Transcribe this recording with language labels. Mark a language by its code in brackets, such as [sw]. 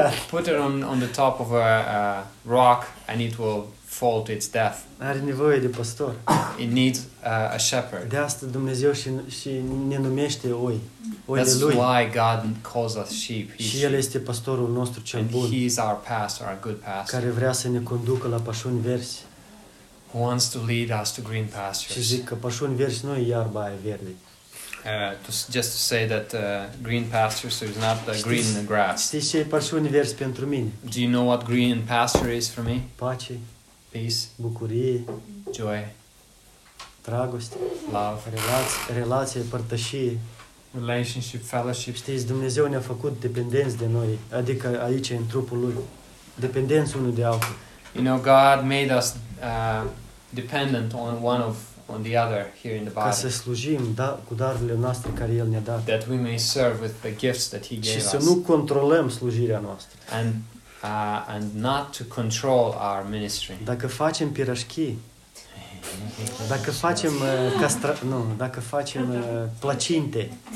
[en] Put it on the top of a rock and it will fall to its death. [ro] Are nevoie de pastor. [en] It needs a shepherd. [ro] De asta Dumnezeu și ne numește oi. [en] That's why God calls us sheep. [ro] Și el este pastorul nostru cel bun. [en] He is our pastor, our good pastor. [ro] Care vrea să ne conducă la pășuni verzi. [en] Who wants to lead us to green pastures. [ro] Și zic că pășuni verzi nu e iarba aia verde. [en] Just to say that green pastures is not the green grass. [ro] Știi ce e pășuni verzi pentru mine? [en] Do you know what green pasture is for me? [ro] Pace. [en] peace, [ro] bucurie, [en] joy, [ro] dragoste, [en] love, [ro] relație, părtășie, [en] relationship, fellowship. [ro] Știți, Dumnezeu ne-a făcut dependenți de noi, adică aici în trupul Lui, dependenți unul de altul. [en] You know, God made us dependent on one of on the other here in the body. [ro] Ca să slujim, da, cu darurile noastre care El ne-a dat. [en] That we may serve with the gifts that He gave us. [ro] Și să nu controlăm slujirea noastră. [en] And not to control our ministry. [ro] Dacă facem pirașchi, dacă facem plăcinte.